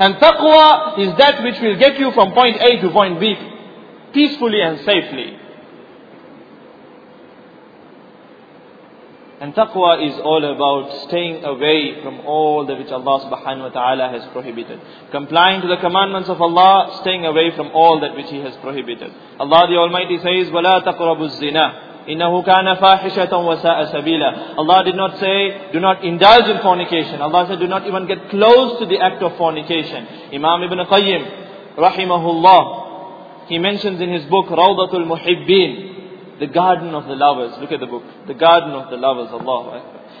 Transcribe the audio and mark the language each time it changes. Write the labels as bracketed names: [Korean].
[English] And taqwa is that which will get you from point A to point B, peacefully and safely. And taqwa is all about staying away from all that which Allah subhanahu wa ta'ala has prohibited. Complying to the commandments of Allah, staying away from all that which He has prohibited. Allah the Almighty says, [Arabic] وَلَا تَقْرَبُوا الزِّنَا إِنَّهُ كَانَ فَاحِشَةً وَسَاءَ سَبِيلًا. [English] Allah did not say, do not indulge in fornication. Allah said, do not even get close to the act of fornication. Imam Ibn Qayyim, rahimahullah, he mentions in his book, Rawdatul Muhibbin, the Garden of the Lovers. Look at the book. The Garden of the Lovers, Allahu Akbar.